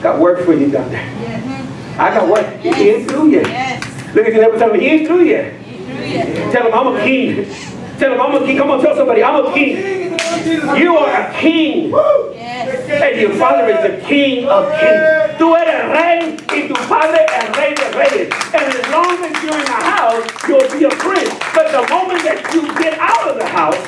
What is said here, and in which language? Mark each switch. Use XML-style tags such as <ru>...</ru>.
<en>Got work for you down there. Yeah. I got work. Yes. He ain't through yet. Yes. Look at you. Never tell me he ain't through yet. He ain't through yet. Tell him I'm a king. Tell him I'm a king. Come on, tell somebody I'm a king. You are a king. Yes. And your father is the king of kings.</en> <es>Tú eres rey y tu padre es rey de reyes.</es> <en>And as long as you're in the house, you'll be a prince. But the moment that you get out of the house,</en>